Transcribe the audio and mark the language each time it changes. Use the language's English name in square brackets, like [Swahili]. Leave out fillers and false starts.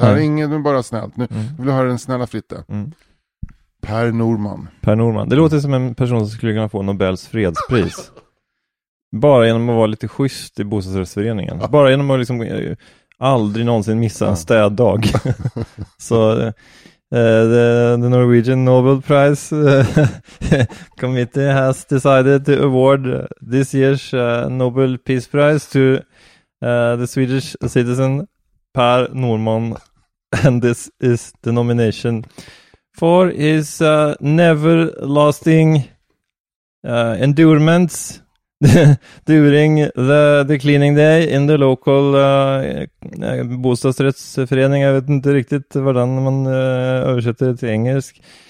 [Swedish] Här ringer du bara snällt. Nu vill du höra den snälla Fritte. Mm. Per Norman. Per Norman. Det låter som en person som skulle kunna få Nobels fredspris. Bara genom att vara lite schysst i bostadsrättsföreningen. Bara genom att liksom aldrig någonsin missa en städdag. [English] Så the Norwegian Nobel Prize Committee has decided to award this year's Nobel Peace Prize to the Swedish citizen Per Norman. And this is the nomination... For his never lasting endurements during the cleaning day in the local bostadsrättsförening. [Swedish] Jag vet inte riktigt vad den man översätter till engelsk.